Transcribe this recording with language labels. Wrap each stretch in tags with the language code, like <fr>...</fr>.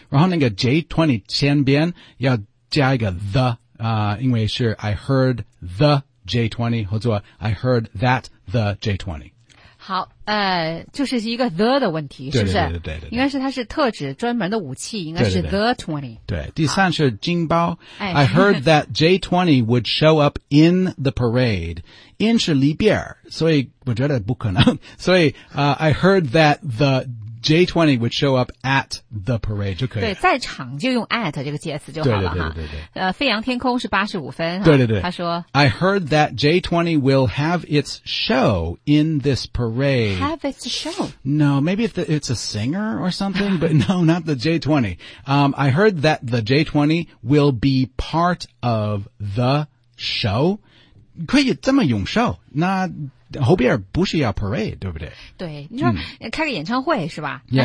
<zh>然后那个 J-20 前边要加一个 the, 因为是</zh> <en>I heard the J-20,</en> <zh>或者</zh> <en>I heard that the J-20.</en> <zh>好就是一个 the 的问题是不是对对 对, 对, 对, 对应该是它是特指专门的武器应该是 the 20. 对第三是金包、哎、</zh> <en>I heard that J-20 would show up in the parade.</en> <zh>In 是里边所以我觉得不可能。所以</zh> <en>I heard that the J-20 would show up at the parade</en> <zh>就可以对在场就用 at 这个介词就好了对对对对对对飞扬天空是85分对对对他说</zh> <en>I heard that J-20 will have its show in this parade Have its show? No, maybe it's a singer or something but no, not the J-20 I heard that the J-20 will be part of the show</en> <zh>可以这么用</zh> <en>show</en> <zh>那后边不是要</zh> <en>parade,</en> <zh>对不对对你说、开个演唱会是吧那、</zh>